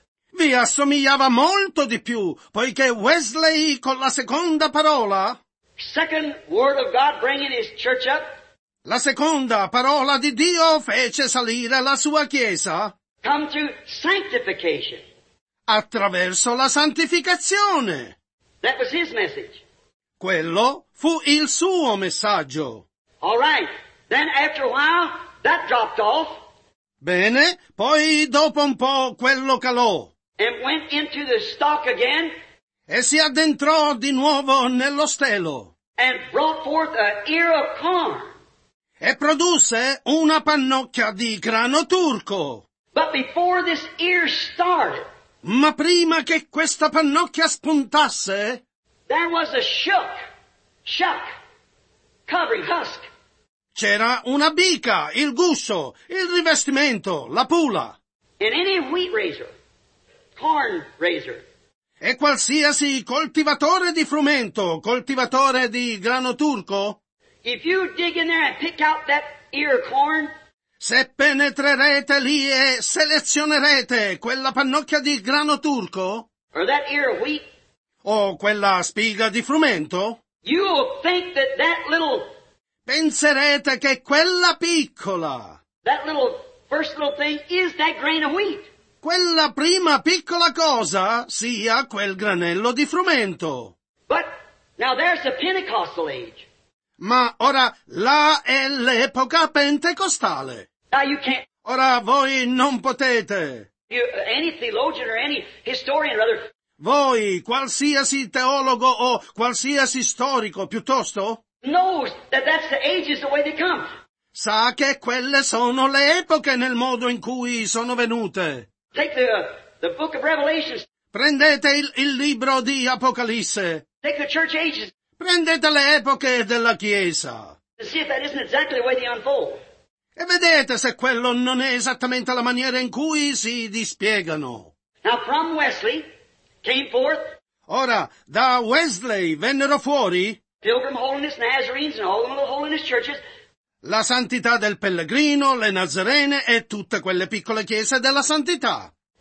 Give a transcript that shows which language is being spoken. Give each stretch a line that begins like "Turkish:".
Italian: Vi assomigliava molto di più, poiché Wesley con la seconda parola,
English: second word of God bringing his church up.
Italian: La seconda parola di Dio fece salire la sua chiesa.
English: Come to sanctification.
Italian: Attraverso la santificazione.
English: That was his message.
Italian: Quello fu il suo messaggio.
English: All right. Then after a while, that dropped off.
Italian: Bene, poi dopo un po' quello calò.
English: And went into the stalk again.
Italian: E si addentrò di nuovo nello stelo.
English: And brought forth an ear of corn.
Italian: E produsse una pannocchia di grano turco.
English: But before this ear started,
Italian: ma prima che questa pannocchia spuntasse,
English: there was a shuck, covering husk.
Italian: C'era una bica, il guscio, il rivestimento, la pula.
English: And any wheat raiser, corn raiser.
Italian: E qualsiasi coltivatore di frumento, coltivatore di grano turco,
English: if you dig in there and pick out that ear of corn,
Italian: se penetrerete lì e selezionerete quella pannocchia di grano turco,
English: or that ear of wheat,
Italian: o quella spiga di frumento,
English: you will think that that little,
Italian: penserete che quella piccola,
English: that little first little thing is that grain of wheat.
Italian: Quella prima piccola cosa sia quel granello di frumento.
English: But now there's the Pentecostal age.
Italian: Ma ora là è l'epoca pentecostale.
English: Now you can't.
Italian: Ora voi non potete.
English: You, any theologian or any historian or other.
Italian: Voi, qualsiasi teologo o qualsiasi storico, piuttosto,
English: knows that that's the ages the way they come.
Italian: Sa che quelle sono le epoche nel modo in cui sono venute.
English: Take the book of Revelation.
Italian: Prendete il libro di Apocalisse.
English: Take the church ages.
Italian: Prendete le epoche della Chiesa.
English: To see if that isn't exactly the way they unfold.
Italian: E vedete se quello non è esattamente la maniera in cui si dispiegano.
English: Now from Wesley came forth.
Italian: Ora, da Wesley vennero fuori
English: Pilgrim Holiness, Nazarenes, and all the Holiness churches.
Italian: La santità del pellegrino, le Nazarene e tutte quelle piccole chiese della santità.